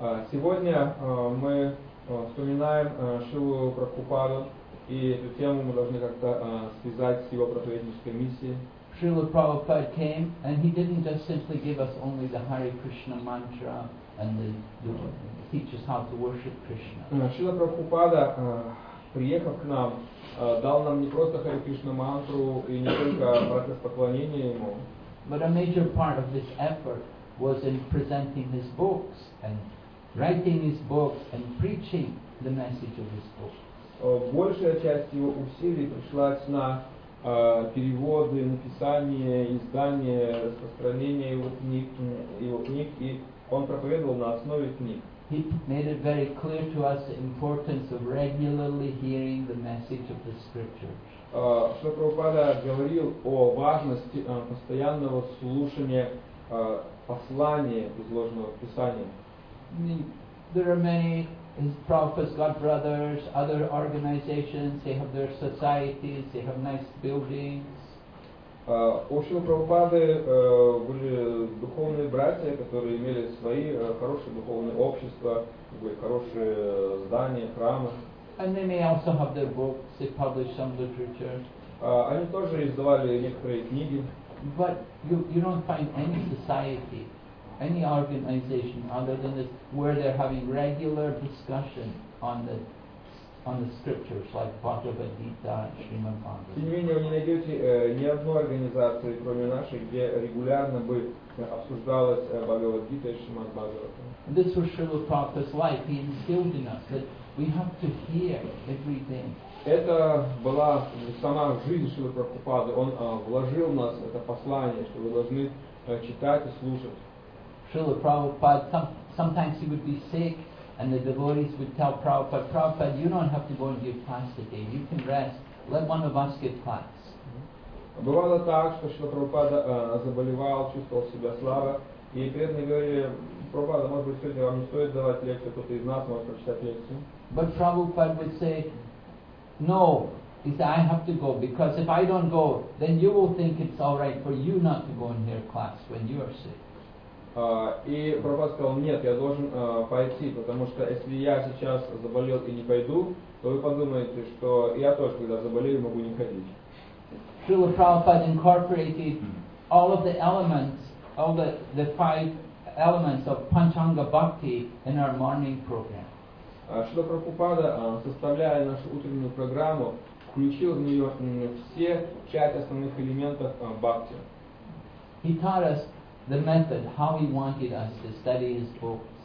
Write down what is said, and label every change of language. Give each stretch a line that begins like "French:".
Russian: Сегодня мы вспоминаем Шилу Прабхупаду, и эту тему мы должны как-то связать с его проповеднической миссией.
English: Srila Prabhupada came, and he didn't just simply give us only the Hare Krishna mantra and the teach us how to worship Krishna.
Russian: Шрила Прабхупада, приехав к нам, дал нам не просто Харе Кришна мантру и не только процесс поклонения ему.
English: But a major part of this effort was in presenting his books and writing his books and preaching the message of his books.
Russian: Большая часть его усилий пришлась на переводы, написание, издание, распространение его книг, и он проповедовал на основе книг.
English: He made it very clear to us the importance of regularly hearing the message of the scriptures.
Russian: Шрила Прабхупада говорил о важности постоянного слушания послания, изложенного в Писании.
English: There are many Prabhupada's got brothers, other organizations, they have their societies, they have nice buildings.
Russian: У Шрила Прабхупады были духовные братья, которые имели свои хорошие духовные общества, хорошие здания, храмы.
English: And they may also have their books, they publish some literature.
Russian: Они тоже издавали некоторые книги.
English: But you don't find any society, any organization other than this where they're having regular discussion on the scriptures like Bhagavad Gita, Srimad Bhagavatam.
Russian: Тем не менее, вы не найдете ни одной организации, кроме нашей, где регулярно бы обсуждалось Бхагавад Гита и Шримад Бхагаватам.
English: This was Srila Prabhupada's life. He instilled in us that we have to hear everything.
Russian: Это была сама жизнь Шрилы Прабхупады. Он вложил в нас это послание, что вы должны читать и слушать.
English: Шрила Прабхупада, sometimes he would be sick, and the devotees would tell Prabhupada, Prabhupada, you don't have to go and give class today. You can rest. Let one of us give class.
Russian: Бывало так, что Шрила Прабхупада заболевал, чувствовал себя слабо, и преданные говорили, Прабхупада, может быть, сегодня вам не стоит давать лекцию, кто-то из нас может прочитать лекцию.
English: But Prabhupada would say, no, he said, I have to go, because if I don't go, then you will think it's all right for you not to go in their class when you are sick.
Russian: И Прабхупада сказал, нет, я должен пойти, потому что если я сейчас заболел и не пойду, то вы подумаете, что я тоже, когда заболею, могу не ходить.
English: Srila Prabhupada incorporated all of the elements, all the five elements of Panchanga Bhakti in our morning program.
Russian: Шрила Прабхупада, составляя нашу утреннюю программу, включил в нее все пять основных элементов бхакти.
English: He taught us the method, how he wanted us to study his books.